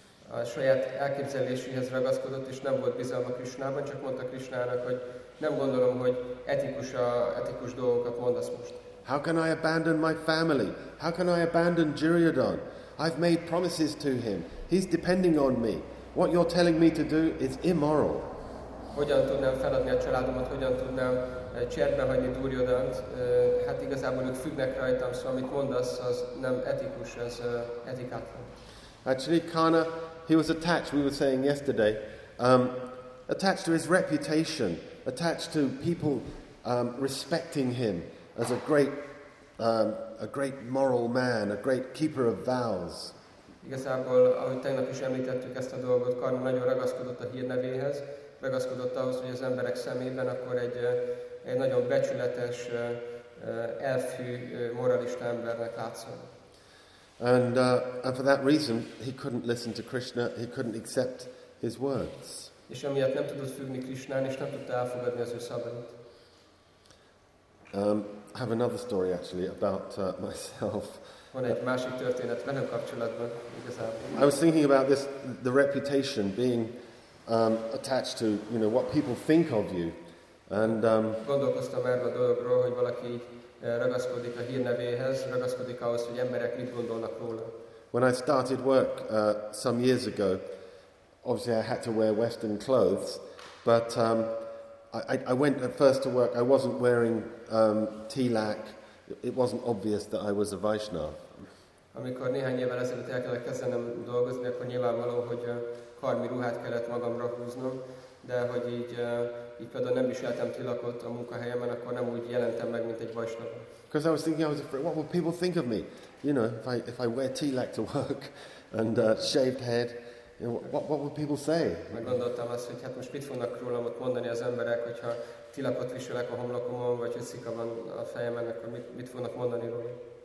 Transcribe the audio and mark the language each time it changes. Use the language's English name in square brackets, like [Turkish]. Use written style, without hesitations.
[Hungarian] A saját elképzeléséhez ragaszkodott, és nem volt bizalma Krishnában, csak mondta Krishnának, hogy nem gondolom, hogy etikus dolgokat mondasz most. [English] How can I abandon my family? How can I abandon Duryodhana? I've made promises to him. He's depending on me. What you're telling me to do is immoral. [Hungarian] Hogyan tudnám feladni a családomat? Hogyan tudnám cserben hagyni Duryodhant? Hát igazából ők függnek rajtam, szóval amit mondasz, az nem etikus, ez etikátlan. [English] Actually, Karna, he was attached, we were saying yesterday, attached to his reputation, attached to people respecting him as a great moral man, a great keeper of vows. [Hungarian] Igazából, ahogy tegnap is említettük ezt a dolgot, Karna nagyon ragaszkodott a hírnevéhez, ragaszkodott ahhoz, hogy az emberek szemében akkor egy nagyon becsületes, elfű, moralista embernek látszott. [English] And for that reason, he couldn't listen to Krishna, he couldn't accept his words. [Hungarian] És amiatt nem tudott függni Krishnán, és nem tudta elfogadni az ő szavait. [English] I have another story actually about myself. [Hungarian] Van egy másik történet velem kapcsolatban igazából. [English] I was thinking about this, the reputation being attached to, you know, what people think of you. And [Hungarian] gondolkoztam erről a dologról, hogy valaki ragaszkodik a hírnevéhez, ragaszkodik ahhoz, hogy emberek mit gondolnak róla. [English] When I started work some years ago, obviously I had to wear Western clothes, but I went at first to work, I wasn't wearing tilak, it wasn't obvious that I was a Vaishnav. [Hungarian] Amikor néhány évvel ezelőtt el kellett kezdenem dolgozni, akkor nyilvánvaló, hogy karmi ruhát kellett magamra húznom, de hogy így például nem viseltem tilakot a munkahelyemen, akkor nem úgy jelentem meg, mint egy Vaishnav. [English] Because I was thinking, I was afraid, what will people think of me? You know, if I wear tilak to work and shaved head, You know, what would people say? [Hungarian] Meggondoltam azt, hogy hát most mit fognak rólam ott mondani az emberek, hogyha tilakot viselek a homlokomon, vagy hogy szika van a fejemen, akkor mit fognak mondani rólam?